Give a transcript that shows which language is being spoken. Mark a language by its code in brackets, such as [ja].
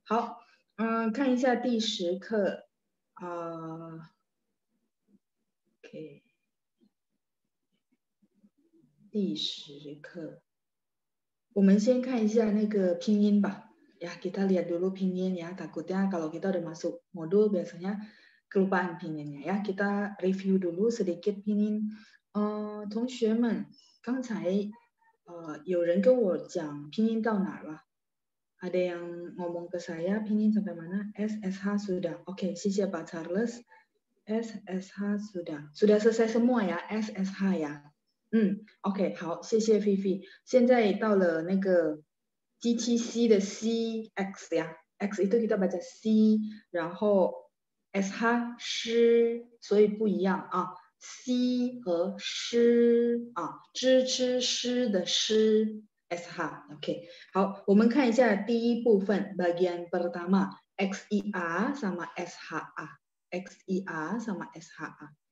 [zh] 好, 看一下第十课, okay. 第十课, 我们先看一下那个拼音吧, [id] ya, kita lihat dulu pinyin ya, takutnya kalau kita udah masuk modul biasanya kelupaan pinyinnya ya, kita review dulu sedikit pinyin. [zh] 同学们, 刚才, 有人跟我讲拼音到哪了? [id] Ada yang ngomong ke saya, pinyin sampai mana? SSH sudah. Oke, okay, sisi Pak Charles. SSH sudah. Sudah selesai semua ya, SSH ya. [zh] Oke, okay, 好, 谢谢 Vivi. 现在到了那个 GTC 的 CX 呀, X itu kita baca C, 然后 SH, 诗, 所以不一样, 啊, C 和 诗, 啊, 知, 知, 诗 的 诗, SH, okay. 好, 我们看一下第一部分, [id] bagian pertama, XER sama SHA, XER sama SHA.